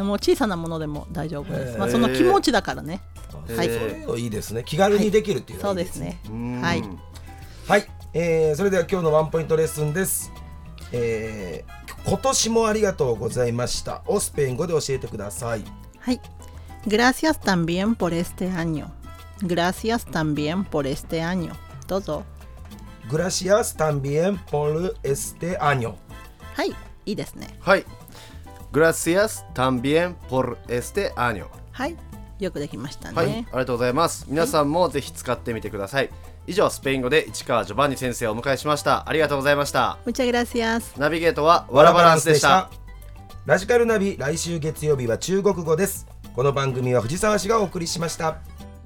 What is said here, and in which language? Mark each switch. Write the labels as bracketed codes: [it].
[ja] もう小さなものでも大丈夫です。まあ、その気持ちだからね、はい、そういうのいいですね、気軽にできるっていうのはいいですね、はい、そうですね、はい、はい、それでは今日のワンポイントレッスンです。今年もありがとうございましたをスペイン語で教えてください。 [es] はい、 Gracias también por este año. Gracias también por este año. [ja] どうぞ。 [es] Gracias también por este año. [ja] はい、いいですね。 [es] はい、 Gracias también por este año. [ja] はい、よくできましたね。はい、ありがとうございます。皆さんもぜひ使ってみてください。以上、スペイン語で市川ジョバンニ先生をお迎えしました。ありがとうございました。 [es] Muchas gracias。 [ja] ナビゲートはワラバランスでした。ラジカルナビ、来週月曜日は中国語です。この番組は藤沢氏がお送りしました。